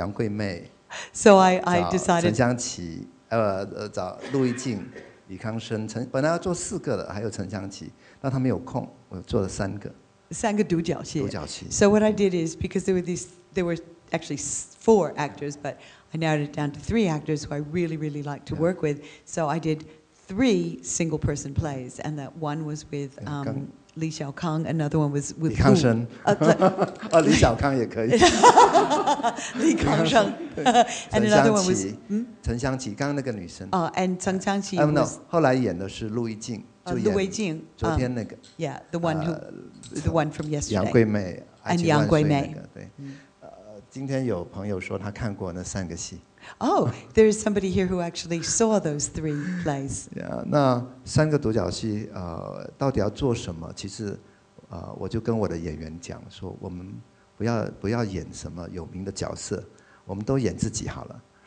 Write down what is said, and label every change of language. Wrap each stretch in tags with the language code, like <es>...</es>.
<zh>我就很贪心，做了三个，因为我有很多很爱的演员，不太有机会再合作。我说找杨贵妹。</zh> <en>So I decided.</en> <zh>陈香琪，陆毅静、李康生。本来要做四个的，还有陈香琪，但他没有空，我做了三个。三个独角戏。</zh> <en>So what I did is, because there were actually four actors, but I narrowed it down to three actors who I really, really like to work with, so I did three single person plays, and that one was with Li Xiaokang, another one was with Li Kangsheng. Li Xiaokang</en> <zh>也可以.</zh> <en>Li Kangsheng. And another one was...</en> <zh>陈香琪,刚刚那个女生。</zh> <en>And 陈香琪 was... No,</en> <zh>后来演的是陆毅静。</zh> <en>陆毅静, yeah, the one from yesterday.</en> <zh>杨贵妹,</zh> <en>and Yang Guimei.</en> <zh>今天有朋友说他看过那三个戏。</zh> <en>Oh, there is somebody here who actually saw those three plays. Yeah,</en> <zh>那三个独角戏到底要做什么？其实我就跟我的演员讲说，我们不要演什么有名的角色，我们都演自己好了。</zh>